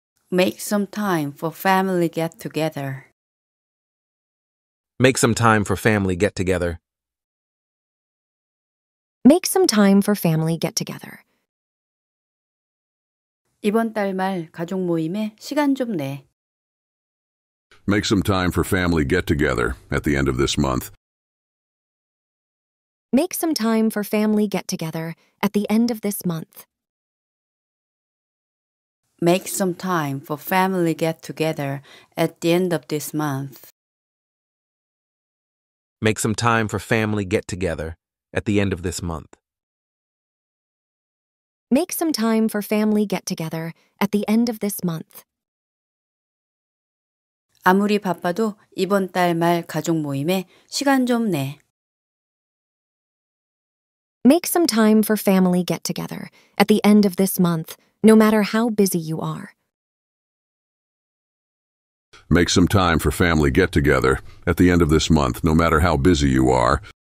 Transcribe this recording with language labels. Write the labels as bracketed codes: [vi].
[en] Make some time for family get together. Make some time for family get together. Make some time for family get together. [ko] 이번 달 말 가족 모임에 시간 좀 내. [en] Make some time for family get together at the end of this month. Make some time for family get together at the end of this month. Make some time for family get together at the end of this month. Make some time for family get together at the end of this month. Make some time for family get together at the end of this month. [ko] 아무리 바빠도 이번 달 말 가족 모임에 시간 좀 내. [en] Make some time for family get together at the end of this month, no matter how busy you are. Make some time for family get together at the end of this month, no matter how busy you are.